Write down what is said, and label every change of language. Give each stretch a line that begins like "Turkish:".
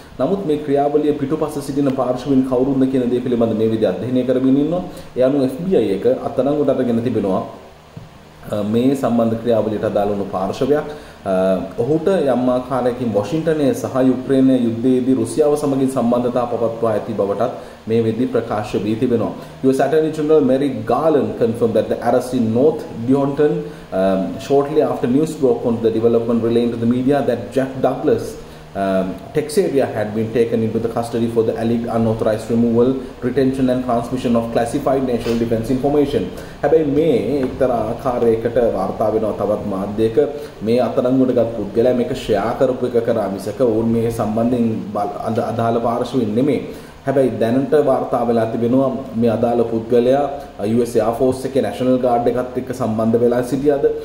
Sinhala: නමුත් මේ ක්‍රියාවලිය පිටුපස සිටින පාර්ශ්වයන් කවුරුන්ද කියන දේ පිළිබඳ මේ විදිහට අධ්‍යයනය කරමින් ඉන්නවා. ඒ අනුව FBI එක අත්අඩංගුවට අරගෙන තිබෙනවා මේ සම්බන්ධ ක්‍රියාවලියට අදාළ වුණු පාර්ශ්වයක්. ඔහුට යම් ආකාරයකින් වොෂින්ටනය සහ යුක්‍රේනය යුද්ධයේදී රුසියාව සමගින් සම්බන්ධතා පවත්වා ඇති බවටත් මේ වෙද්දී ප්‍රකාශ වී තිබෙනවා.
English: US Attorney General Merrick Garland confirmed that the arrest in North Deonton shortly after news broke on the development relayed to the media that Jack Douglas Texavier had been taken into the custody for the alleged unauthorized removal, retention and transmission of classified national defense information.
Sinhala: හැබැයි මේ එක්තරා ආකාරයකට වාර්තා වෙනවා තවත් මාධ්‍යයක. මේ අතරංගුවට ගත් පුද්ගලයා මේක ෂෙයා කරපු එක කරා මිසක ඔවුන් මේ සම්බන්ධයෙන් අදාළ පාර්ශ්වයෙන් නෙමෙයි. හැබැයි දැනට වාර්තා වෙලා තිබෙනවා මේ අදාළ පුද්ගලයා US Air Force එකේ National Guard එකත් එක්ක සම්බන්ධ වෙලා සිටියද?